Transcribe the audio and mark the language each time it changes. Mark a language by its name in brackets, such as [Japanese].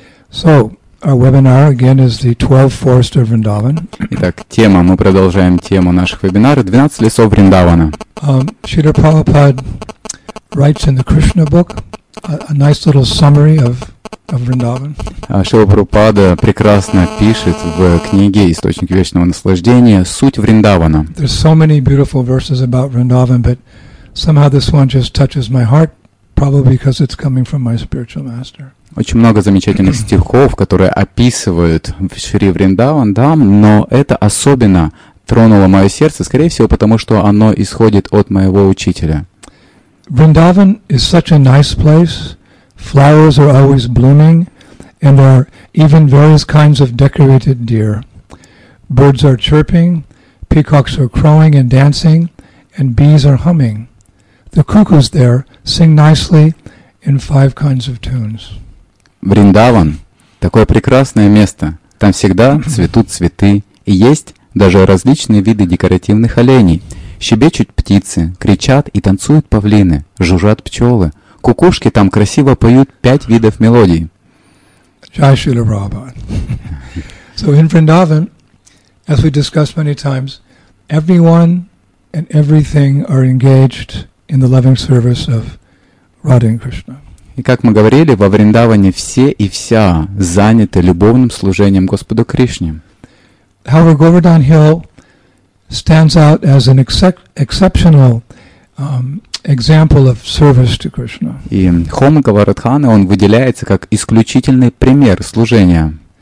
[English] So, our webinar again is the 12 forests of Vrindavan. [Russian] Итак, тема, мы продолжаем тему наших вебинаров 12 лесов Вриндавана. [English] Śrīla Prabhupāda writes in the Krishna book a nice little summary of Vrindavan. [Russian] Śrīla Prabhupāda прекрасно пишет в книге Источник вечного наслаждения суть Вриндавана. [English] There's so many beautiful verses about Vrindavan, but somehow this one just touches my heart, probably because it's coming from my spiritual master. [Russian] Очень много замечательных стихов, которые описывают Шри Вриндаван Дхам, но это особенно тронуло мое сердце, скорее всего, потому что оно исходит от моего учителя. [English] Vrindavan is such a nice place. Flowers are always blooming, and there are even various kinds of decorated deer. Birds are chirping, peacocks are crowing and dancing, and bees are humming. The cuckoos there sing nicely in five kinds of tunes. [Russian] Вриндаван — такое прекрасное место. Там всегда цветут цветы, и есть даже различные виды декоративных оленей. Щебечут птицы, кричат и танцуют павлины, жужжат пчелы. Кукушки там красиво поют пять видов мелодий. [English] Jai Śrīla Prabhupāda. So in Vrindavan, as we discussed many times, everyone and everything are engaged in the loving service of Radha and Krishna. [Russian] И как мы говорили, во Вриндаване все и вся заняты любовным служением Господу Кришне. [English] However, Govardhan Hill stands out as an exceptional example of service to Krishna. [Russian] И холм Говардхана, он выделяется как исключительный пример служения.